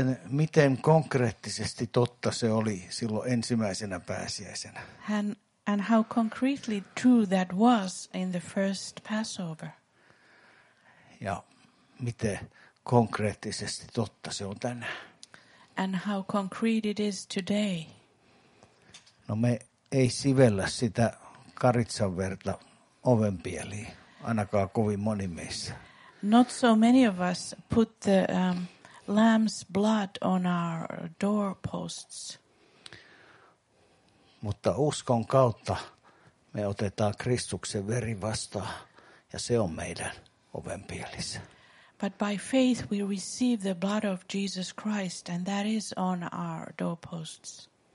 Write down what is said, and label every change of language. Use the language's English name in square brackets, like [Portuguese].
[Finnish] Miten konkreettisesti totta se oli silloin ensimmäisenä pääsiäisenä? [English] And how concretely true that was in the first Passover. [Finnish] Ja miten konkreettisesti totta se on tänään? [English] And how concrete it is today. [Finnish] No me ei sivellä sitä karitsan verta ovenpieliin, ainakaan kovin moni meissä. [English] Not so many of us put the lamb's blood on our doorposts. [Finnish] Mutta uskon kautta me otetaan Kristuksen veri vastaan ja se on meidän ovenpielissä. [English] But by faith we receive the blood of Jesus Christ and that is on our doorposts.